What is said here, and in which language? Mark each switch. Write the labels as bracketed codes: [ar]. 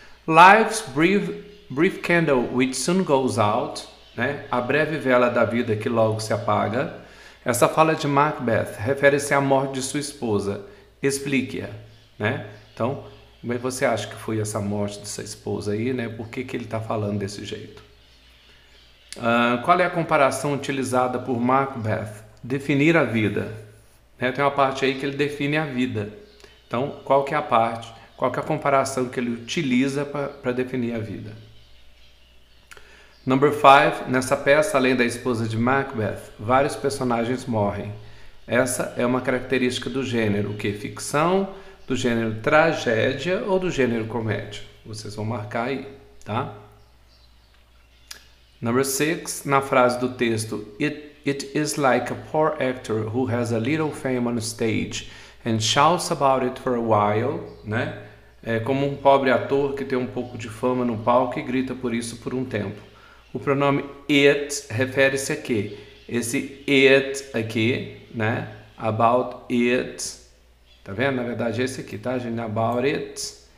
[en] Life's brief candle which soon goes out, né? [pt] A breve vela da vida que logo se apaga. Essa fala de Macbeth refere-se à morte de sua esposa. Explique-a, né? Então, como é que você acha que foi essa morte dessa esposa aí, né? Por que que ele está falando desse jeito? Qual é a comparação utilizada por Macbeth? Definir a vida. Né? Tem uma parte aí que ele define a vida. Então, qual que é a parte? Qual que é a comparação que ele utiliza para definir a vida? [en] Number 5, [pt] nessa peça, além da esposa de Macbeth, vários personagens morrem. Essa é uma característica do gênero, o quê? Ficção, do gênero tragédia ou do gênero comédia? Vocês vão marcar aí, tá? [en] Number 6, [pt] na frase do texto, [en] It is like a poor actor who has a little fame on stage and shouts about it for a while, né? [pt] É como um pobre ator que tem um pouco de fama no palco e grita por isso por um tempo. O pronome it refere-se a quê? Esse it aqui, né? About it. Tá vendo? Na verdade é esse aqui, tá, gente? About it.